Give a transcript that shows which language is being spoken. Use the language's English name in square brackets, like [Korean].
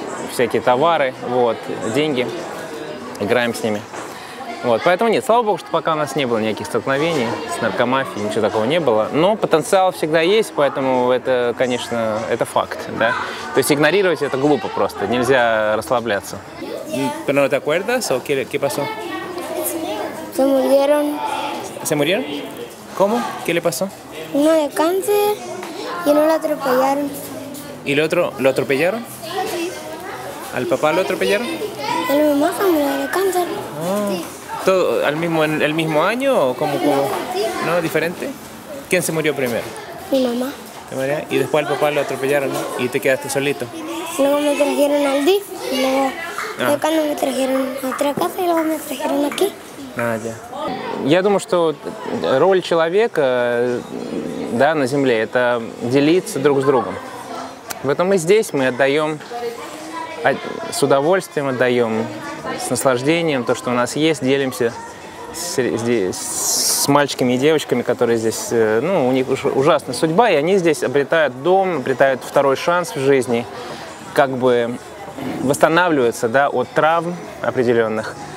[Russian] всякие товары, вот, деньги, играем с ними. Вот, поэтому нет, слава богу, что пока у нас не было никаких столкновений с наркомафией, ничего такого не было. Но потенциал всегда есть, поэтому это, конечно, это факт, да. То есть игнорировать это глупо просто, нельзя расслабляться. [Spanish] ¿Pero no te acuerdas o qué, qué pasó? Se murieron. ¿Se murieron? ¿Cómo? ¿Qué le pasó? Uno de cáncer y uno lo atropellaron. ¿Y el otro lo atropellaron? ¿Al papá lo atropellaron? A la mamá se murió de cáncer. Oh. Sí. ¿Todo al mismo, el mismo año o como, como? No, ¿no? ¿Diferente? ¿Quién se murió primero? Mi mamá. ¿Te murió? Y después al papá lo atropellaron, ¿no? ¿Y te quedaste solito? Luego me trajeron al DIF. Luego, ah, cuando me trajeron a otra casa y luego me trajeron aquí. Ah, ya. [Russian] Я думаю, что роль человека, да, на земле – это делиться друг с другом. Поэтому мы здесь, мы отдаем... С удовольствием отдаем, с наслаждением то, что у нас есть, делимся с мальчиками и девочками, которые здесь, ну, у них ужасная судьба, и они здесь обретают дом, обретают второй шанс в жизни, как бы восстанавливаются, да, от травм определенных.